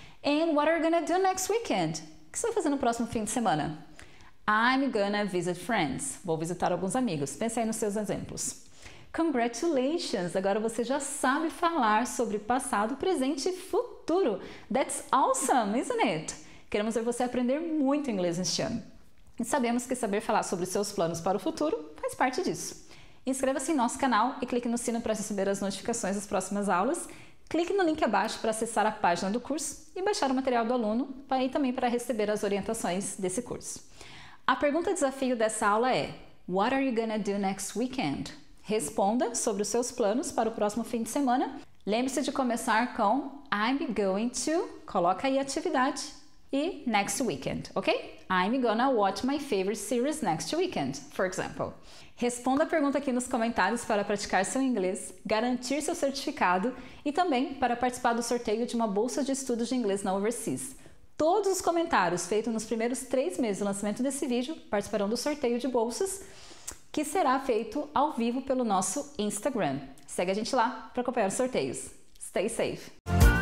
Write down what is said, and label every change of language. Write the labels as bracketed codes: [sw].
[en] And what are you gonna do next weekend? [pt] O que você vai fazer no próximo fim de semana? [en] I'm gonna visit friends. [pt] Vou visitar alguns amigos. Pense aí nos seus exemplos. [en] Congratulations! [pt] Agora você já sabe falar sobre passado, presente e futuro. [en] That's awesome, isn't it? [pt] Queremos ver você aprender muito inglês neste ano. E sabemos que saber falar sobre seus planos para o futuro faz parte disso. Inscreva-se em nosso canal e clique no sino para receber as notificações das próximas aulas. Clique no link abaixo para acessar a página do curso e baixar o material do aluno e também para receber as orientações desse curso. A pergunta desafio dessa aula é: [en] What are you gonna do next weekend? [pt] Responda sobre os seus planos para o próximo fim de semana. Lembre-se de começar com [en] I'm going to, [pt] coloca aí a atividade [en] e next weekend, ok? I'm gonna watch my favorite series next weekend, for example. [pt] Responda a pergunta aqui nos comentários para praticar seu inglês, garantir seu certificado e também para participar do sorteio de uma bolsa de estudos de inglês na Overseas. Todos os comentários feitos nos primeiros 3 meses do lançamento desse vídeo participarão do sorteio de bolsas que será feito ao vivo pelo nosso Instagram. Segue a gente lá para acompanhar os sorteios. [en] Stay safe!